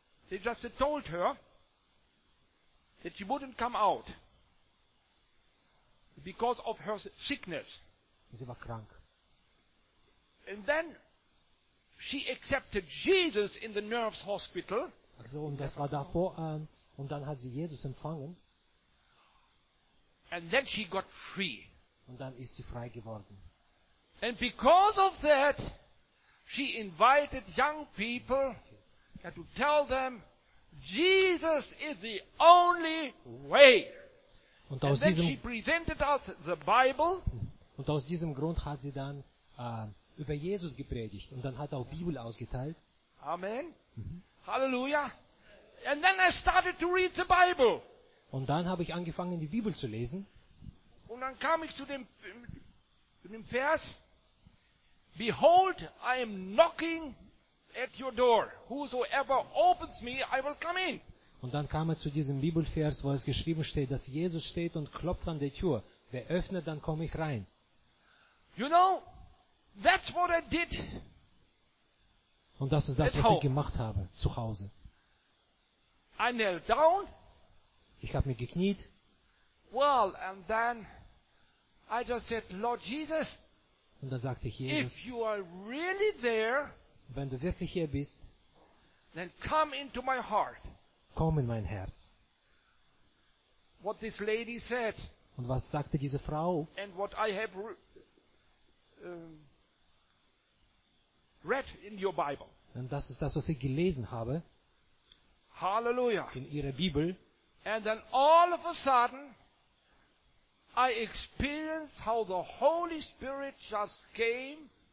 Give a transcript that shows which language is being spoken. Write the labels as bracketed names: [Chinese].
[English] They just told her that she wouldn't come out because of her sickness. [German] Sie war krank. [English] And then she accepted Jesus in the nerves hospital. [German] Also, und das war davor, und dann hat sie Jesus empfangen. [English] And then she got free. [German] Und dann ist sie frei geworden. [English] And because of that, she invited young people to tell them, Jesus is the only way. [German] Und aus [English] and then she presented us the Bible. [German] Und aus diesem Grund hat sie dann über Jesus gepredigt und dann hat auch Bibel ausgeteilt. Amen. Mhm. Halleluja. [English] And then I started to read the Bible. [German] Und dann habe ich angefangen, die Bibel zu lesen. Und dann kam ich zu dem Vers: [English] Behold, I am knocking at your door. Whosoever opens me, I will come in. [German] Und dann kam er zu diesem Bibelvers, wo es geschrieben steht, dass Jesus steht und klopft an der Tür. Wer öffnet, dann komme ich rein. [English] You know, that's what I did. [German] Und das ist das, was ich gemacht habe, zu Hause. [English] I knelt down. [German] Ich habe mich gekniet. [English] Well, and then I just said, Lord Jesus. [German] Und dann sagte ich, Jesus, [English] if you are really there, [German] wenn du wirklich hier bist, [English] then come into my heart. [German] Komm in mein Herz. [English] What this lady said. [German] Und was sagte diese Frau? [English] And what I have read in your Bible. [German] Und das ist das, was ich gelesen habe. Halleluja. In ihrer Bibel. [English] And then all of a sudden, I experienced how the Holy Spirit just came.